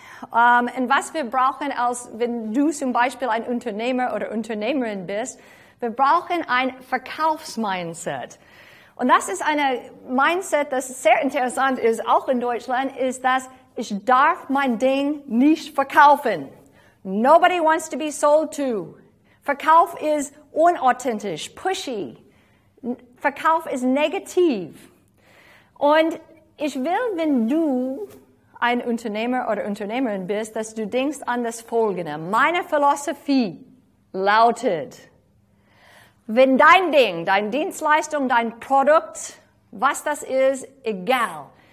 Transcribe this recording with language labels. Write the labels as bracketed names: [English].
[German] Und was wir brauchen, als wenn du zum Beispiel ein Unternehmer oder Unternehmerin bist, wir brauchen ein Verkaufsmindset. Und das ist eine Mindset, das sehr interessant ist, auch in Deutschland, ist, dass ich darf mein Ding nicht verkaufen. [English] Nobody wants to be sold to. [German] Verkauf ist unauthentisch, pushy. Verkauf ist negativ. Und ich will, wenn du ein Unternehmer oder Unternehmerin bist, dass du denkst an das Folgende. Meine Philosophie lautet: Wenn dein Ding, dein Dienstleistung, dein Produkt, was das ist, egal.